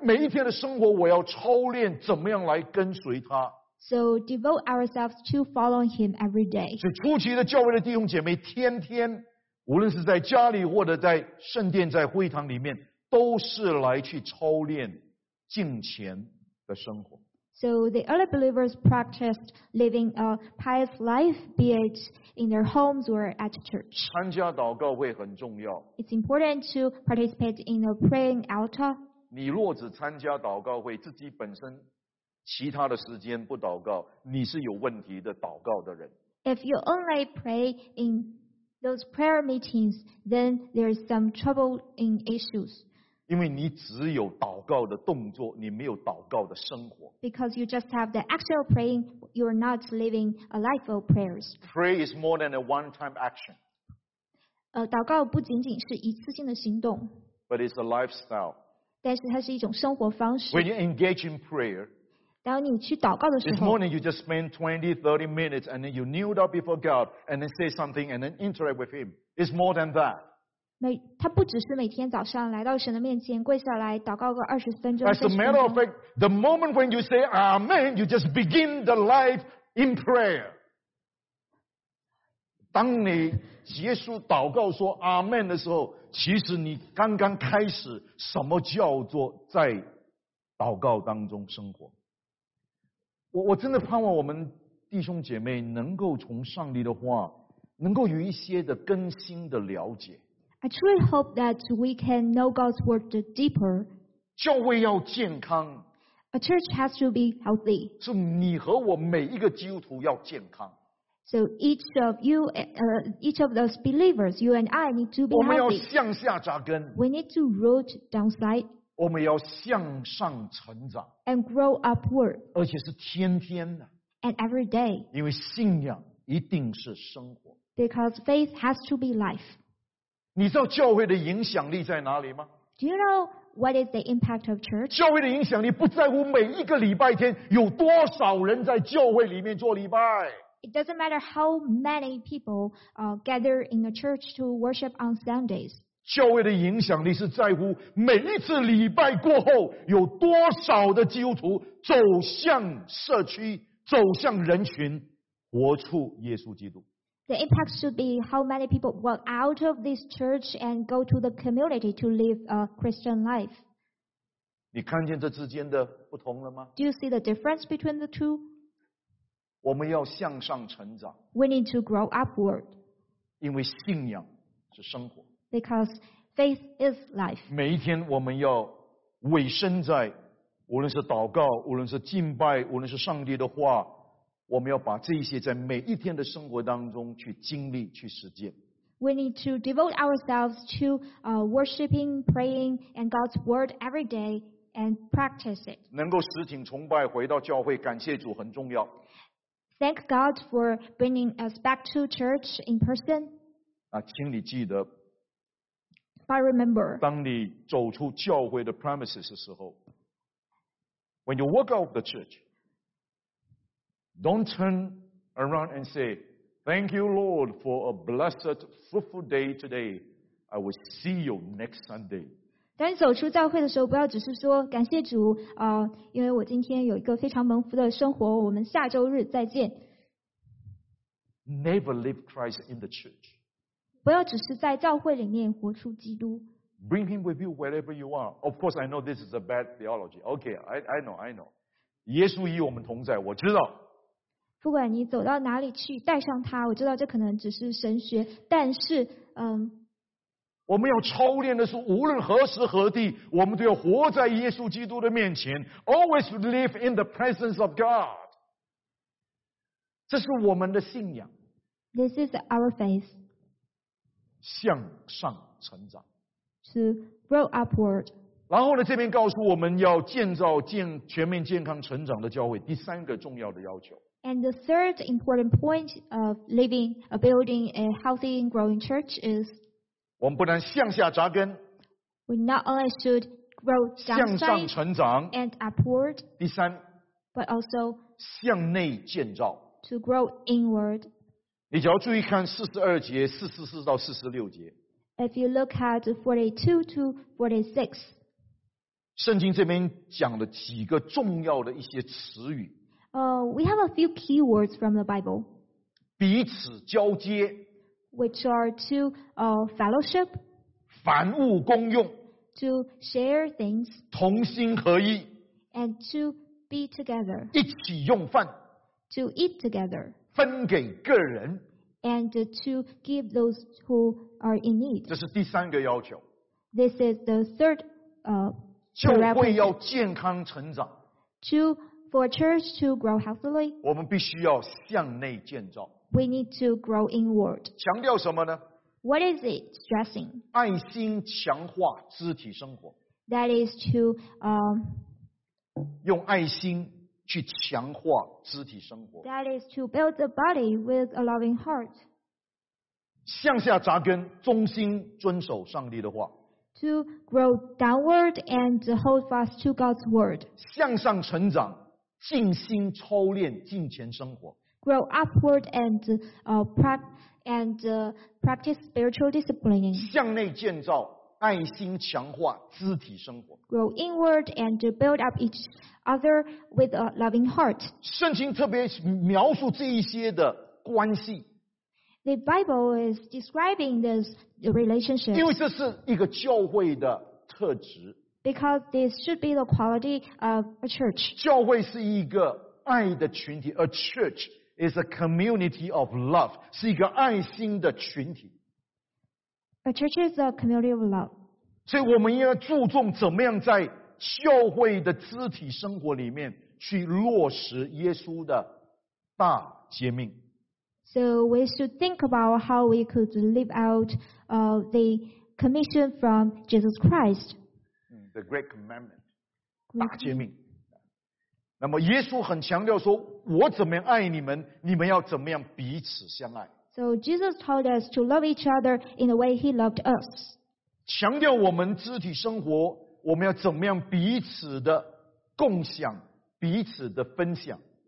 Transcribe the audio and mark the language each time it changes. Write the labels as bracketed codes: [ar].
[zh] 每一天的生活，我要操练怎么样来跟随他。 [en] So devote ourselves to following Him every day. [zh] 所以初期的教会的弟兄姐妹，天天无论是在家里或者在圣殿、在会堂里面，都是来去操练敬虔的生活。 [en] So the early believers practiced living a pious life, be it in their homes or at church. [zh] 参加祷告会很重要。 [en] It's important to participate in a praying altar. [zh] 你若只参加祷告会，自己本身其他的时间不祷告，你是有问题的祷告的人。 [en] If you only pray in those prayer meetings, then there is some trouble in issues. [zh] 因为你只有祷告的动作，你没有祷告的生活。 [en] Because you just have the actual praying, you are not living a life of prayers. Pray is more than a one-time action. [zh] 祷告不仅仅是一次性的行动。 [en] But it's a lifestyle. [zh] 但是它是一种生活方式。 [en] When you engage in prayer, [zh] 当你去祷告的时候 [en] ，this morning you just spend 20, 30 minutes and then you kneel up before God and then say something and then interact with Him. It's more than that. [zh] 他不只是每天早上来到神的面前跪下来祷告个二十分钟。 [en] As a matter of fact, the moment when you say Amen, you just begin the life in prayer. [zh] 当你结束祷告说 Amen 的时候，其实你刚刚开始什么叫做在祷告当中生活。我真的盼望我们弟兄姐妹能够从上帝的话能够有一些的更新的了解。 [en] I truly hope that we can know God's word deeper. [zh] 教会要健康。 [en] A church has to be healthy. [zh] 是你和我每一个基督徒要健康。 [en] So each of you, each of those believers, you and I need to be healthy. [zh] 我们要向下扎根。 [en] We need to root downside. [zh] 我们要向上成长。 [en] And grow upward. [zh] 而且是天天的。 [en] And every day. [zh] 因为信仰一定是生活。 [en] Because faith has to be life. [zh] 你知道教会的影响力在哪里吗 [en] ？Do you know what is the impact of church？ [zh] 教会的影响力不在乎每一个礼拜天有多少人在教会里面做礼拜。 [en] It doesn't matter how many people gather in a church to worship on Sundays。 [zh] 教会的影响力是在乎每一次礼拜过后有多少的基督徒走向社区、走向人群，活出耶稣基督。 [en] The impact should be how many people walk out of this church and go to the community to live a Christian life. [zh] 你看见这之间的不同了吗 [en] ？Do you see the difference between the two? [zh] 我们要向上成长。 [en] We need to grow upward. [zh] 因为信仰是生活。 [en] Because faith is life. [zh] 每一天我们要委身在，无论是祷告，无论是敬拜，无论是上帝的话。我们要把这些在每一天的生活当中去经历去实践。 [en] We need to devote ourselves to worshiping, praying, and God's word every day and practice it. [zh] 能够实情崇拜回到教会感谢主很重要。 [en] Thank God for bringing us back to church in person. [zh] 啊，请你记得。 [en] But remember, [zh] 当你走出教会的 premises 的时候 [en] ，when you walk out of the church, don't turn around and say, "Thank you, Lord, for a blessed, fruitful day today. I will see you next Sunday." [zh] 当你走出教会的时候，不要只是说感谢主啊，因为我今天有一个非常蒙福的生活。我们下周日再见。 [en] Never leave Christ in the church. [zh] 不要只是在教会里面活出基督。 [en] Bring him with you wherever you are. Of course, I know this is a bad theology. Okay, I know. [zh] 耶稣与我们同在，我知道。不管你走到哪里去，带上他，我知道这可能只是神学，但是，我们要操练的是，无论何时何地，我们都要活在耶稣基督的面前。 [en] Always live in the presence of God. [zh] 这是我们的信仰。 [en] This is our faith. [zh] 向上成长 [en] to grow upward. [zh] 然后呢，这边告诉我们要建造健全面健康成长的教会，第三个重要的要求。 [en] And the third important point of living a building a healthy and growing church is [zh] 我们不能向下扎根。 [en] We not only should grow downside, [zh] 向上成长 [en] and upward. [zh] 第三 [en] but also [zh] 向内建造 [en] to grow inward. [zh] 你只要注意看42节44到46节 [en] If you look at 42 to 46 [zh] 圣经这边讲了几个重要的一些词语 [en] We have a few key words from the Bible [zh] 彼此交接 [en] Which are to fellowship [zh] 凡物共用 [en] To share things [zh] 同心合一 [en] And to be together [zh] 一起用饭 [en] To eat together [zh] 分给个人 [en] and to give those who are in need. [zh] 这是第三个要求。 [en] This is the third. [zh] 教会要健康成长。 [en] To for church to grow healthily. [zh] 我们必须要向内建造。 [en] We need to grow inward. [zh] 强调什么呢 [en] ？What is it stressing? [zh] 爱心强化肢体生活。 [en] That is to [zh] 用爱心。去强化肢体生活。 [en] That is to build the body with a loving heart. [zh] 向下扎根，忠心遵守上帝的话。 [en] To grow downward and hold fast to God's word. [zh] 向上成长，尽心操练敬虔生活。 [en] Grow upward and practice spiritual disciplining. [zh] 向内建造，爱心强化肢体生活。 [en] Grow inward and build up each. Other with a loving heart. [zh] 圣经特别描述这一些的关系。 [en] The Bible is describing this relationship. [zh] 因为这是一个教会的特质。 [en] Because this should be the quality of a church. [zh] 教会是一个爱的群体。 [en] A church is a community of love. [zh] 是一个爱心的群体。 [en] A church is a community of love. [zh] 所以我们要注重怎么样在教会的肢体生活里面去落实耶稣的大诫命。 [en] So we should think about how we could live out the commission from Jesus Christ. The Great Commandment, [zh] 大诫命。那么耶稣很强调说，我怎么样爱你们，你们要怎么样彼此相爱。 [en] So Jesus told us to love each other in the way He loved us. [zh] 强调我们肢体生活。我们要怎么样彼此的共享，彼此的分享。